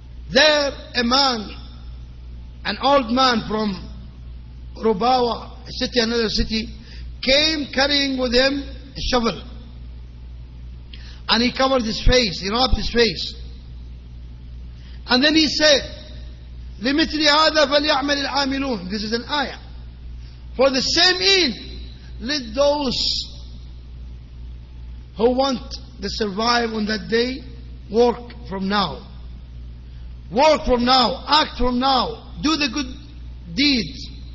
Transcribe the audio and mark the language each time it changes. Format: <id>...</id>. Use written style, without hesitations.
<en>There, a man, an old man from Rubawa, another city, came carrying with him a shovel. And he covered his face, he rubbed his face. And then he said,</en> <ar>لمثل هذا فليعمل العاملون.</ar> <en>This is an ayah. For the same ill, let those who want to survive on that day work from now. Work from now, act from now, do the good deeds.</en>